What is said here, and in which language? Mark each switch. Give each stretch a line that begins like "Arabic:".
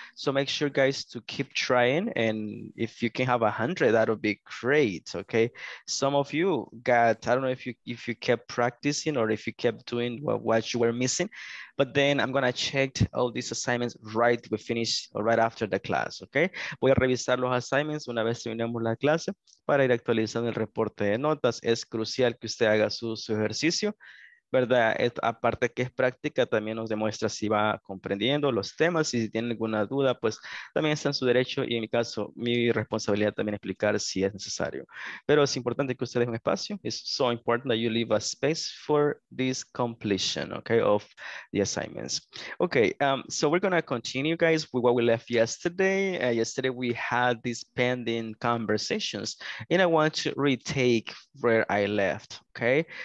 English: So make sure, guys, to keep trying. And if you can have 100, that'll be great. Okay. Some of you got, I don't know if you kept practicing or if you kept doing what you were missing. But then I'm going to check all these assignments right we finish or right after the class. Okay.
Spanish: Voy a revisar los assignments una vez terminemos la clase para ir actualizando el reporte de notas. Es crucial que usted haga su ejercicio. ¿Verdad? Aparte que es práctica, también nos demuestra si va comprendiendo los temas y si tiene alguna duda, pues también está en su derecho y en mi caso, mi responsabilidad también explicar si es necesario. Pero es importante que usted deje un espacio.
English: It's so important that you leave a space for this completion, okay, of the assignments. Okay, so we're going to continue, guys, with what we left yesterday. Yesterday, we had these pending conversations and I want to retake where I left, okay?